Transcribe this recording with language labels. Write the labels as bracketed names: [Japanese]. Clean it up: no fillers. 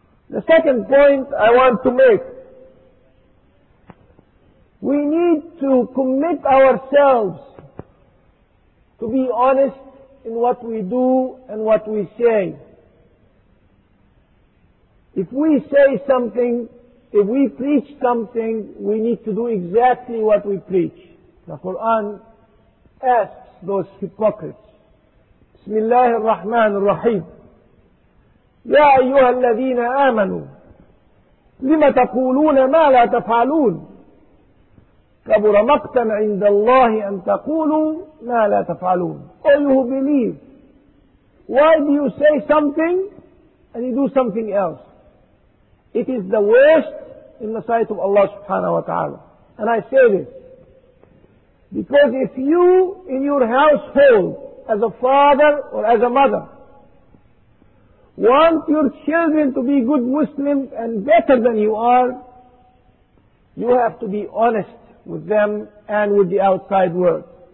[English] The second point I want to make, we need to commit ourselves to be honest in what we do and what we say. If we say something, if we preach something, we need to do exactly what we preach. The Quran asks those hypocrites. [Arabic] بسم الله الرحمن الرحيم يا أيها الذين آمنوا لم تقولون ما لا تفعلون؟ كبر مقتا عند الله أن تقولوا ما لا تفعلون. [English] All who believe, why do you say something and you do something else? It is the worst in the sight of Allah subhanahu wa ta'ala. And I say this because if you in your household as a father or as a mother want your children to be good Muslims and better than you are, you have to be honest with them and with the outside world.